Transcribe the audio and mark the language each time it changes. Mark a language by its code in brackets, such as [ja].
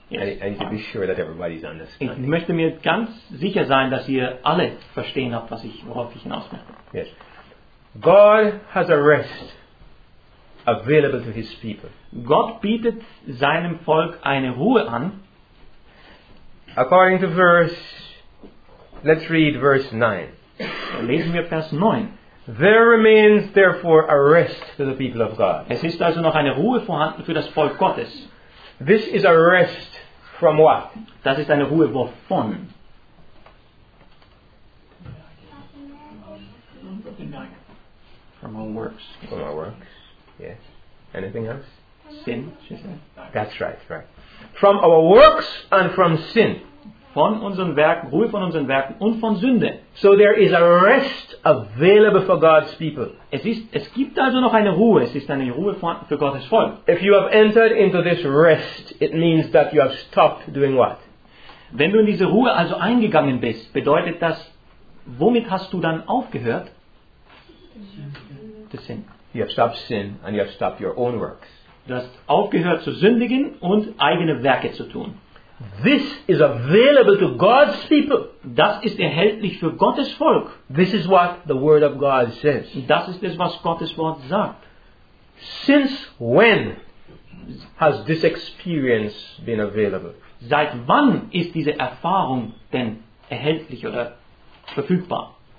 [en] Yes. I need to be sure that everybody's understanding. [de] Ich möchte mir ganz sicher sein, dass ihr alle verstehen habt, worauf ich hinaus möchte. [en] Yes. God has a rest available to his people. [de] Gott bietet seinem Volk eine Ruhe an. [en] According to let's read verse 9. [de] Lesen wir Vers 9. [en] There remains therefore a rest to the people of God. [de] Es ist also noch eine Ruhe vorhanden für das Volk Gottes. [en] This is a rest from what? [de] Das ist eine Ruhe wovon? [en] From our works. From our works. Yes. Anything else? Sin, she said. That's right. From our works and from sin. [de] Von unseren Werken, Ruhe von unseren Werken und von Sünde. [en] So there is a rest available for God's people. [de] Es gibt also noch eine Ruhe. Es ist eine Ruhe für Gottes Volk. [en] If you have entered into this rest, it means that you have stopped doing what? [de] Wenn du in diese Ruhe also eingegangen bist, bedeutet das, womit hast du dann aufgehört? [en] The sin. You have stopped sin and you have stopped your own works. [de] Du hast aufgehört zu sündigen und eigene Werke zu tun. [en] This is available to God's people. [de] Das ist erhältlich für Gottes Volk. [en] This is what the Word of God says. [de] Das ist es, was Gottes Wort sagt. [en] Since when has this experience been available? [de] Seit wann ist diese Erfahrung denn erhältlich oder verfügbar?